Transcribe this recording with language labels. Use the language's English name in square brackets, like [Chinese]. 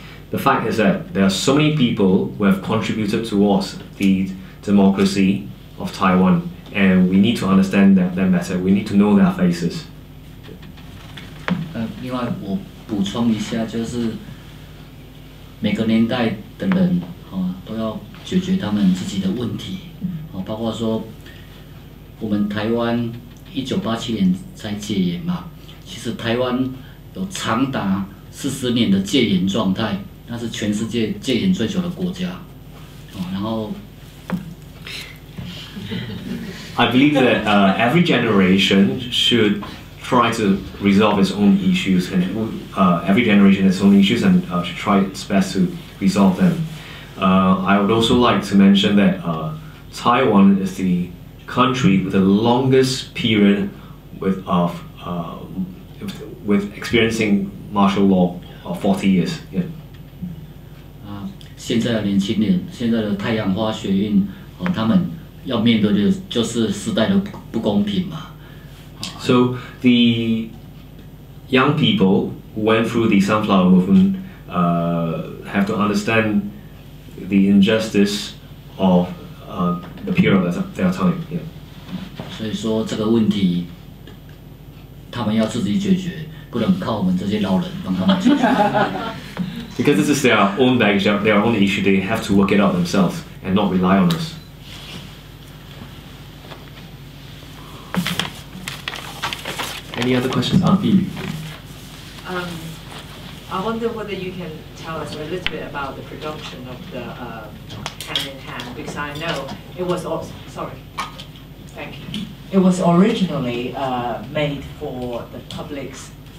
[English] The fact is that there are so many people who have contributed towards the democracy of Taiwan, and we need to understand them better. We need to know their faces. [Chinese] 另外我补充一下，就是每个年代的人都要解决他们自己的问题，包括说我们台湾1987年才戒严嘛，其实台湾有长达40年的戒严状态，那是全世界戒严最久的国家。然后 [English] ，I believe that every generation should try to resolve its own issues, and every generation has its own issues, and should try its best to resolve them. I would also like to mention that Taiwan is the country with the longest period with experiencing martial law of 40 years. Yeah. [Chinese] 现在的年轻人，现在的太阳花学运，他们要面对的就是时代的不公平嘛。 [English] So the young people who went through the Sunflower Movement have to understand the injustice of the period of their time. Yeah. [Chinese] 所以说这个问题，他们要自己解决。不能靠我们这些老人帮他们解决。 [English] Because this is their own baggage, their own issue. They have to work it out themselves and not rely on us. 、 I wonder whether you can tell us a little bit about the production of the Hand in Hand, because I know it was It was originally made for the public's.